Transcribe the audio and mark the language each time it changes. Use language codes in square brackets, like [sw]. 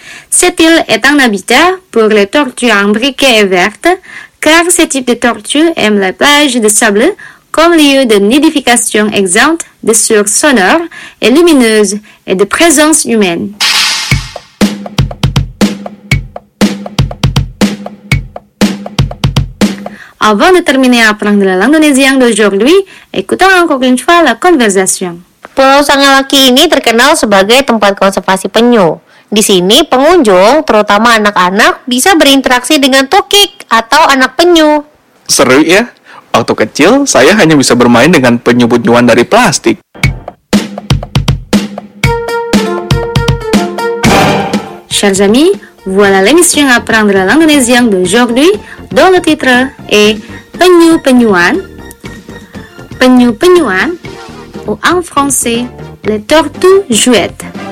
[fr] Cette île est un habitat pour les tortues imbriquées et vertes, car ce type de tortue aime les plages de sable comme lieu de nidification exempte de sources sonores et lumineuses et de présence humaine. Avant de terminer à apprendre l'indonésien d'aujourd'hui, écoutons encore une fois la conversation. [id] Pulau Sangalaki ini terkenal sebagai tempat konservasi penyu. Di sini, pengunjung, terutama anak-anak, bisa berinteraksi dengan tukik atau anak penyu. Seru ya? Waktu kecil, saya hanya bisa bermain dengan penyu-penyuan dari plastik. [fr] Chers amis, voilà l'émission Apprendre la langue indonésienne d'aujourd'hui dont le titre est Penyu-penyuan. Penyu-penyuan, ou en français, les tortues jouettes.